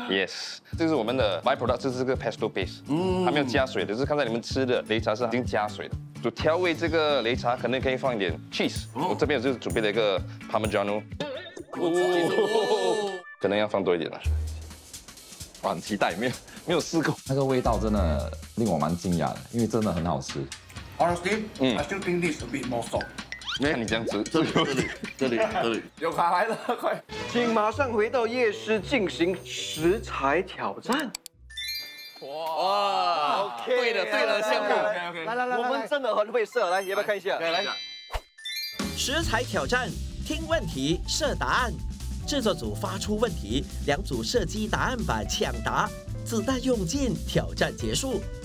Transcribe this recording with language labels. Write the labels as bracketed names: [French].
[Chinese] ！Yes， 这是我们的 byproduct， 这是个 pesto base， 它没有加水的，就是刚才你们吃的擂茶是已经加水的。就调味这个擂茶，可能可以放一点 cheese。我这边就是准备了一个 parmigiano， 可能要放多一点了。哇，很期待，没有试过，那个味道真的令我蛮惊讶的，因为真的很好吃。 [English] Honestly, I still think this a bit more salt. [Chinese] 看你这样子，这里，有卡来了，快，请马上回到夜市进行食材挑战。哇 ，OK， 对的，对的，项目，OK， 来，我们真的很会设，来，要不要看一下？来，食材挑战，听问题设答案，制作组发出问题，两组射击答案板抢答，子弹用尽，挑战结束。